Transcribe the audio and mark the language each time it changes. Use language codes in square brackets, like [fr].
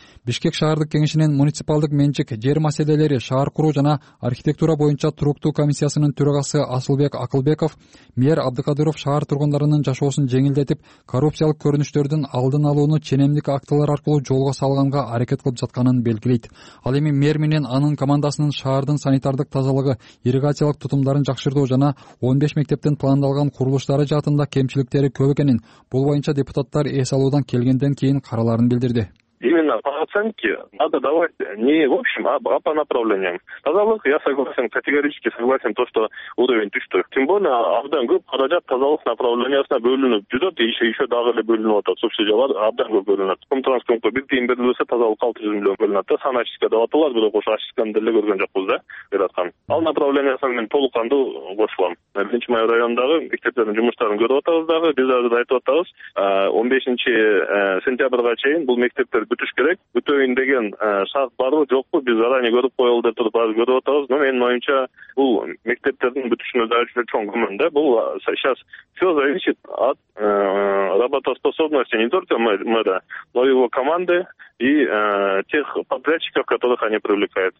[ky] Бишкек шаардык кеңешинин муниципалдык менчик, жер маселелери, шаар куруу жана архитектура боюнча туруктуу комиссиясынын төрагасы Асылбек Акылбеков мэр Абдыкадыров шаар тургундарынын жашоосун жеңилдетип, коррупциялык көрүнүштөрдүн алдын алууну ченемдик актылар аркылуу жолго салганга аракет кылып жатканын белгилейт. Ал эми мэр менен анын командасынын шаардын санитардык тазалыгы, ирригациялык тутумдарын жакшыртуу жана 15 мектептин пландалган курулуштары жаатында кемчиликтери көп экенин, бул боюнча депутаттар эс алуудан келгенден кийин карааларын билдирди. [ru] Именно по оценке надо давать не в общем, а по направлениям. Тазалык, я согласен, категорически согласен, то, что уровень тустой. Тем более, [ky] абдан көп каражат тазалык направлениясына бөлүнүп жүрөт, [ru] еще [ky] дагы эле бөлүнүп атат. Субсидиялар абдан көп бөлүнөт. Комтранспортко 1 тыйын берилбесе тазалык 600 миллион бөлүнөт да. Санчистка деп аталат, бирок ошо ачистканы деле көргөн жокпуз да жараткан. Ал направлениясына мен толук кандуу кошулам. 1-май райондагы мектептердин жумуштарын көрүп атабыз дагы. Биз азыр айтып атабыз, 15-сентябрга чейин бул мектептер бүтүш керек. Бүтөйүн деген шарт барбы, жокпу, биз заранее көрүп коелу деп туруп азыр көрүп атабыз. [ru] Но [ky] менин оюмча бул мектептердин бүтүшүнө даэле чоң көмөн да. [ru] Бул сейчас все зависит от работоспособности не только мэра, но и его команды и тех подрядчиков, которых они привлекают.